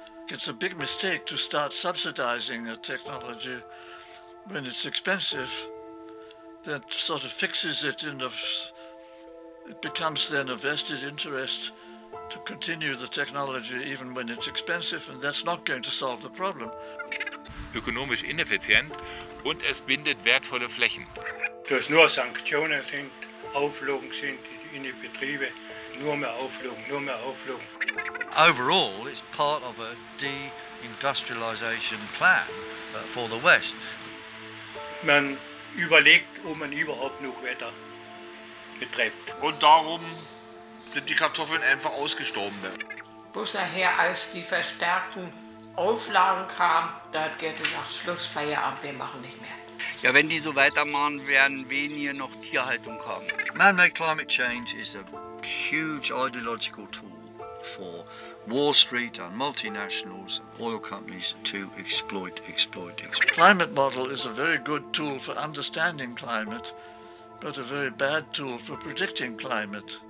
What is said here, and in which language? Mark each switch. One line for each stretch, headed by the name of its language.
English: It's a big mistake to start subsidizing a technology when it's expensive. that sort of fixes it, and it becomes then a vested interest to continue the technology even when it's expensive, and that's not going to solve the problem.
German: Ökonomisch ineffizient und es bindet wertvolle Flächen. Dass nur Sanktionen sind, Auflagen sind in die Betriebe, nur mehr Auflagen.
English: Overall, it's part of a deindustrialization plan for the West.
German: Man überlegt, ob man überhaupt noch weiter betreibt. Und darum sind die Kartoffeln einfach ausgestorben. Bloß daher, als die verstärkten Auflagen kamen, da hat Gerte gesagt, Schluss, Feierabend, wir machen nicht mehr. Ja, wenn die so weitermachen, werden weniger noch Tierhaltung haben.
English: Man-made climate change is a huge ideological tool for Wall Street and multinationals and oil companies to exploit. Climate model is a very good tool for understanding climate, but a very bad tool for predicting climate.